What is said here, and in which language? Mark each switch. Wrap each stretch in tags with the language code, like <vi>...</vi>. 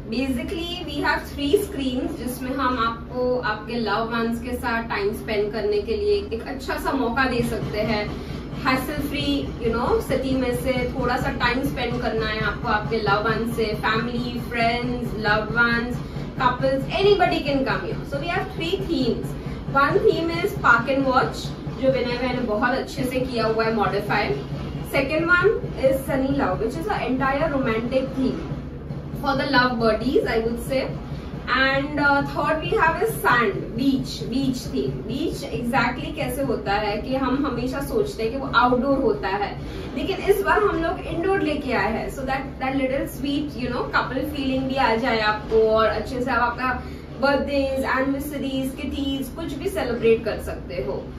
<en>basically we have three screens</en> <hi>जिसमें हम आपको आपके लव वंस के साथ टाइम स्पेंड करने के लिए एक अच्छा सा मौका दे सकते हैं,</hi> <en>hassle free, you know,</en> <hi>city में से थोड़ा सा टाइम स्पेंड करना है आपको आपके लव वंस से, family, friends, love once, couples,</hi> <en>Anybody can come here. So we have three themes. One theme is park and watch,</en> <hi>जो विनय भाई ने बहुत अच्छे से किया हुआ है</hi> <en>Modify. Second one is sunny love, which is a entire romantic theme for the love birdies, I would say. And third we have is sand, beach theme.</en> <hi>Beach exactly कैसे होता है कि हम हमेशा सोचते हैं कि वो outdoor होता है, लेकिन इस बार हम लोग indoor लेके आए हैं,</hi> <en>so that little sweet, you know, couple feeling</en> <hi>भी आ जाए आपको, और अच्छे से आपका बर्थडे एनिवर्सरीज किटीज कुछ भी सेलिब्रेट कर सकते हो.</hi>